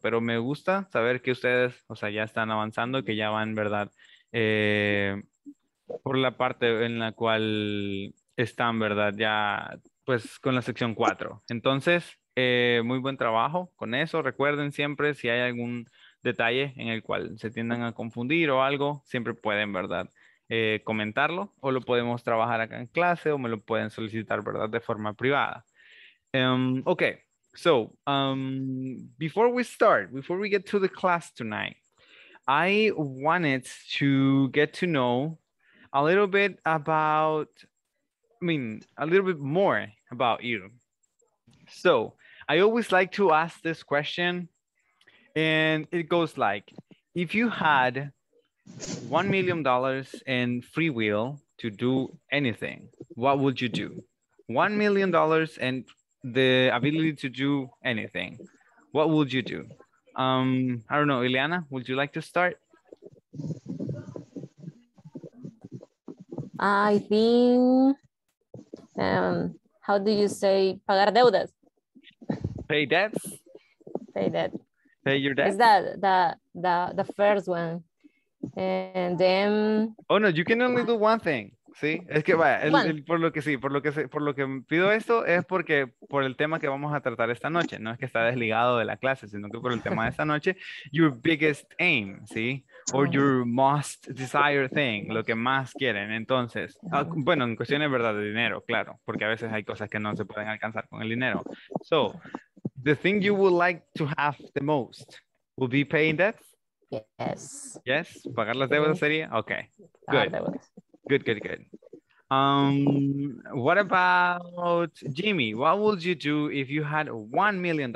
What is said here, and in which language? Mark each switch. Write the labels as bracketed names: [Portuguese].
[Spanish] Pero me gusta saber que ustedes, o sea, ya están avanzando, que ya van, ¿verdad?, por la parte en la cual están, ¿verdad?, ya pues con la sección 4. Entonces, muy buen trabajo con eso. Recuerden siempre si hay algún detalle en el cual se tiendan a confundir o algo, siempre pueden, ¿verdad?, comentarlo o lo podemos trabajar acá en clase o me lo pueden solicitar, ¿verdad?, de forma privada. [English] Okay, so before we start, before we get to the class tonight, I wanted to get to know a little bit about, I mean, a little bit more about you. So I always like to ask this question and it goes like, if you had $1 million and free will to do anything, what would you do? $1 million and the ability to do anything, what would you do? I don't know, Ileana, would you like to start? I think, how do you say, [Spanish] pagar deudas? [English] Pay debts? Pay debt. Pay your debt? Is that the first one? And then oh no, you can only do one thing. [Spanish] Sí, es que vaya, por lo que pido esto es porque por el tema que vamos a tratar esta noche, no es que está desligado de la clase, sino que por el tema de esta noche, [English] your biggest aim, [Spanish] ¿sí? [English] Or your most desired thing, [Spanish] lo que más quieren. Entonces, bueno, en cuestiones, ¿verdad?, de dinero, claro, porque a veces hay cosas que no se pueden alcanzar con el dinero. [English] So, the thing you would like to have the most would be paying debts. Yes. [Spanish] Pagar las deudas sería? [English] Okay. Good. Good. What about Jimmy? What would you do if you had $1 million?